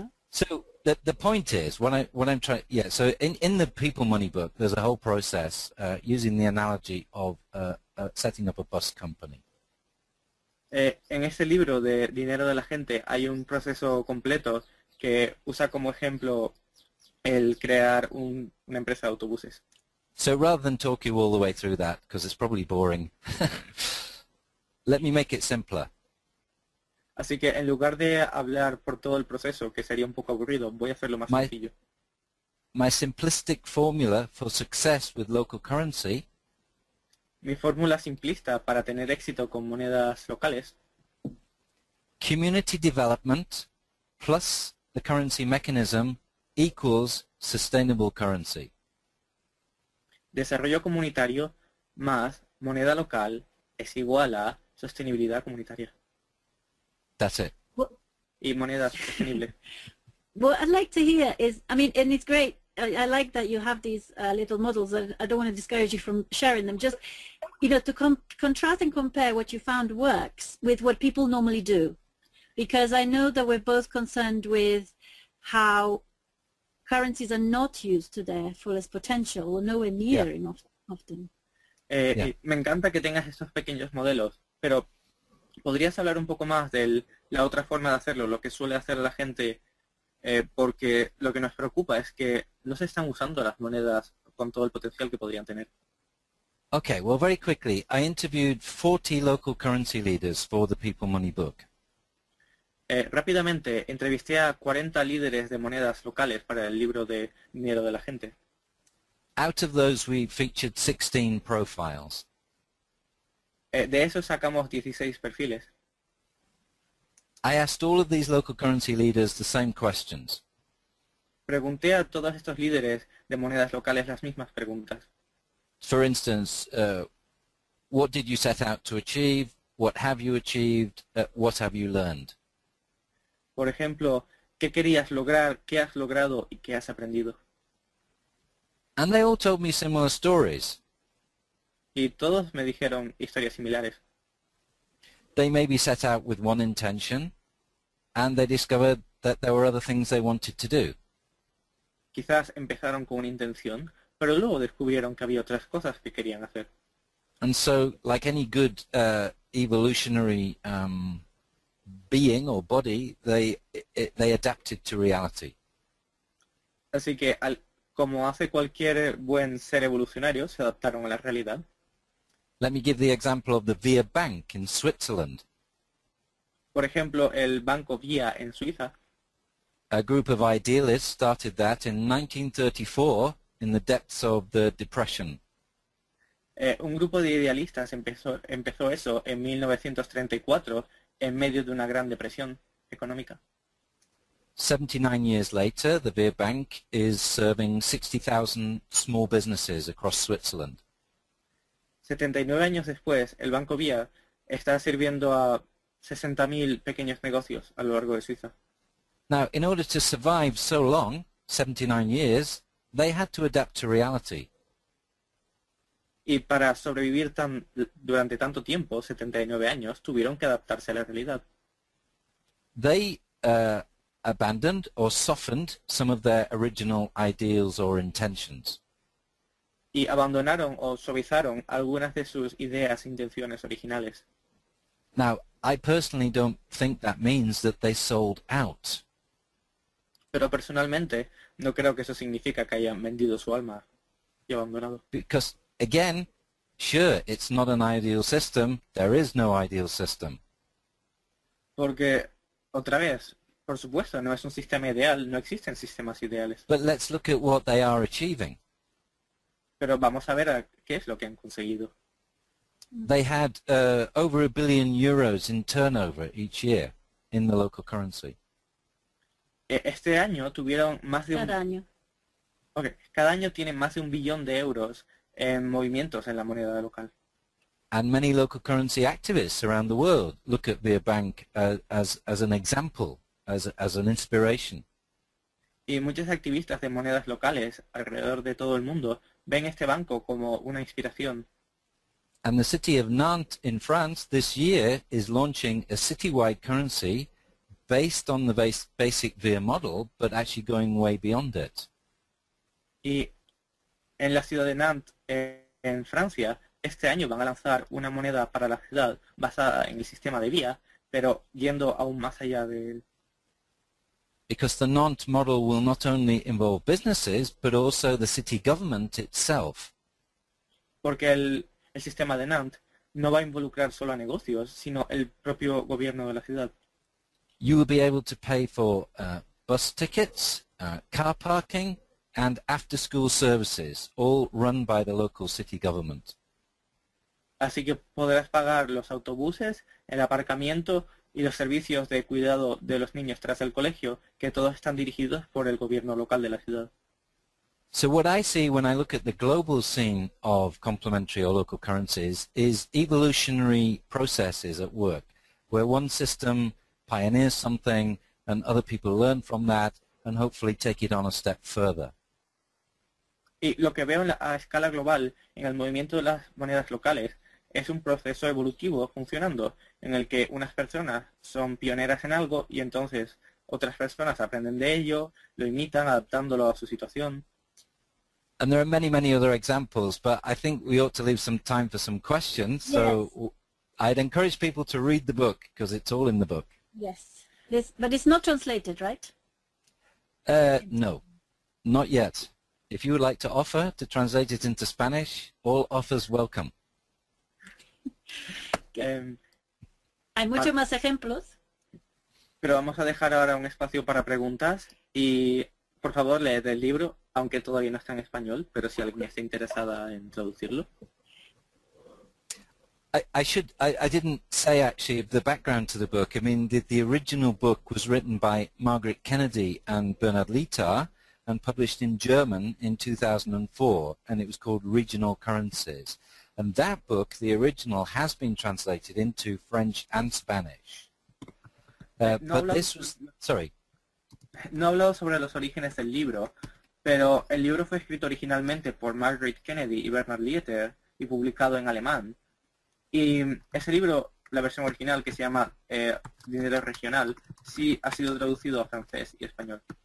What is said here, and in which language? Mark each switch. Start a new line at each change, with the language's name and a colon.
English: So the point is, what I'm trying, yeah, so in the People Money book, there's a whole process using the analogy of setting up a bus company.
Spanish: En este libro de Dinero de la Gente hay un proceso completo que usa como ejemplo el crear una empresa de autobuses.
English: So rather than talk you all the way through that, because it's probably boring, let me make it simpler.
Spanish: Así que en lugar de hablar por todo el proceso, que sería un poco aburrido, voy a hacerlo más sencillo.
English: My simplistic formula for success with local currency,
Spanish: mi fórmula simplista para tener éxito con monedas locales,
English: community development plus the currency mechanism equals sustainable currency.
Spanish: Desarrollo comunitario más moneda local es igual a sostenibilidad comunitaria.
English: That's it.
Spanish: Y moneda sostenible.
English: What I'd like to hear is, I mean, and it's great, I like that you have these little models. I don't want to discourage you from sharing them. Just, you know, to contrast and compare what you found works with what people normally do. Because I know that we're both concerned with how currencies are not used to their fullest potential, or nowhere near enough often.
Spanish: Me encanta que tengas estos pequeños modelos, pero ¿podrías hablar un poco más de la otra forma de hacerlo, lo que suele hacer la gente? Porque lo que nos preocupa es que no se están usando las monedas con todo el potencial que podrían tener.
English: Okay, well, very quickly, I interviewed 40 local currency leaders for the People Money book.
Spanish: Rápidamente, entrevisté a 40 líderes de monedas locales para el libro de Miedo de la Gente.
English: Out of those, we featured 16 profiles.
Spanish: De esos sacamos 16 perfiles.
English: I asked all of these local currency leaders the same questions.
Spanish: Pregunté a todos estos líderes de monedas locales las mismas preguntas.
English: For instance, what did you set out to achieve? What have you achieved? What have you learned?
Spanish: Por ejemplo, ¿qué querías lograr? ¿Qué has logrado? ¿Y qué has aprendido?
English: And they all told me similar stories.
Spanish: Y todos me dijeron historias similares.
English: They maybe set out with one intention, and they discovered that there were other things they wanted to do.
Spanish: Quizás empezaron con una intención, pero luego descubrieron que había otras cosas que querían hacer.
English: And so, like any good evolutionary being or body, they adapted to reality.
Spanish: Así que, como hace cualquier buen ser evolucionario, se adaptaron a la realidad.
English: Let me give the example of the Via Bank in Switzerland.
Spanish: Por ejemplo, el Banco Via en Suiza.
English: A group of idealists started that in 1934 in the depths of the Depression.
Spanish: Un grupo de idealistas empezó eso en 1934 en medio de una gran depresión económica.
English: 79 years later, the Via Bank is serving 60,000 small businesses across Switzerland.
Spanish: 79 años después, el Banco Vía está sirviendo a 60,000 pequeños negocios a lo largo de Suiza.
English: Now, in order to survive so long, 79 years, they had to adapt to reality.
Spanish: Y para sobrevivir durante tanto tiempo, 79 años, tuvieron que adaptarse a la realidad.
English: They abandoned or softened some of their original ideals or intentions.
Spanish: Y abandonaron o suavizaron algunas de sus ideas e intenciones originales.
English: Now, I personally don't think that means that they sold out.
Spanish: Pero personalmente, no creo que eso significa que hayan vendido su alma y abandonado.
English: Because, again, sure, it's not an ideal system. There is no ideal system.
Spanish: Porque, otra vez, por supuesto, no es un sistema ideal. No existen sistemas ideales.
English: But let's look at what they are achieving.
Spanish: Pero vamos a ver a qué es lo que han conseguido.
English: They had over €1 billion in turnover each year in the local currency.
Spanish: Este año tuvieron más de cada año. Okay, cada año tienen más de €1 billion en movimientos en la moneda local.
English: And many local currency activists around the world look at Via Bank as an example, as an inspiration.
Spanish: Y muchos activistas de monedas locales alrededor de todo el mundo ven este banco como una inspiración.
English: And the city of Nantes in France this year is launching a citywide currency based on the basic Via model, but actually going way beyond it.
Spanish: Y en la ciudad de Nantes, en Francia, este año van a lanzar una moneda para la ciudad basada en el sistema de Via, pero yendo aún más allá de él.
English: because the Nantes model will not only involve businesses, but also the city government itself.
Spanish: Porque el sistema de Nantes no va a involucrar solo a negocios, sino el propio gobierno de la ciudad.
English: You will be able to pay for bus tickets, car parking, and after-school services, all run by the local city government.
Spanish: Así que podrás pagar los autobuses, el aparcamiento y los servicios de cuidado de los niños tras el colegio, que todos están dirigidos por el gobierno local de la ciudad.
English: So what I see when I look at the global scene of complementary or local currencies is evolutionary processes at work, where one system pioneers something and other people learn from that and hopefully take it on a step further.
Spanish: Y lo que veo a escala global en el movimiento de las monedas locales es un proceso evolutivo funcionando en el que unas personas son pioneras en algo y entonces otras personas aprenden de ello, lo imitan adaptándolo a su situación.
English: And there are many, many other examples, but I think we ought to leave some time for some questions. Yes. So I'd encourage people to read the book because it's all in the book. Yes. This, but it's not translated, right? No, not yet. If you would like to offer to translate it into Spanish, all offers welcome.
Spanish: Hay muchos más ejemplos. Pero vamos a dejar ahora un espacio para preguntas y por favor leed el libro, aunque todavía no está en español, pero si alguien está interesada en traducirlo.
English: I didn't say actually the background to the book. I mean, the original book was written by Margaret Kennedy and Bernard Leiter and published in German in 2004, and it was called Regional Currencies. And that book, the original, has been translated into French and Spanish.
Spanish: No he hablado sobre los orígenes del libro, pero el libro fue escrito originalmente por Margaret Kennedy y Bernard Leiter y publicado en alemán. Y ese libro, la versión original, que se llama Dinero Regional, sí ha sido traducido a francés y español.